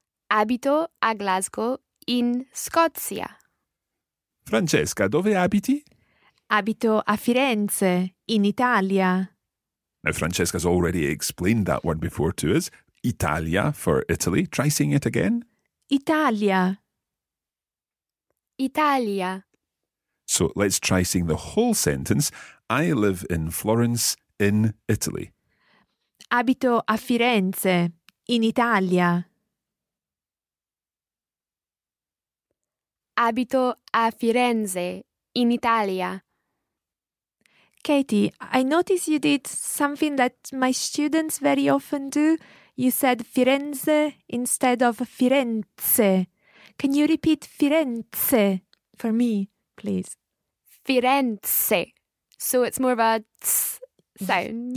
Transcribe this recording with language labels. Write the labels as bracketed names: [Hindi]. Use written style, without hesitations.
[Italian] Abito a Glasgow in Scozia. Francesca, dove abiti? Abito a Firenze, in Italia. [English] Now, Francesca's already explained that word before to us. Italia for Italy. Try saying it again. [Italian] Italia. Italia. [English] So let's try saying the whole sentence. I live in Florence, in Italy. [Italian] Abito a Firenze, in Italia. abito a Firenze, in Italia. [English] Katie, I noticed you did something that my students very often do. You said Firenze instead of Firenze. Can you repeat Firenze for me, please? Firenze. So it's more of a ts sound.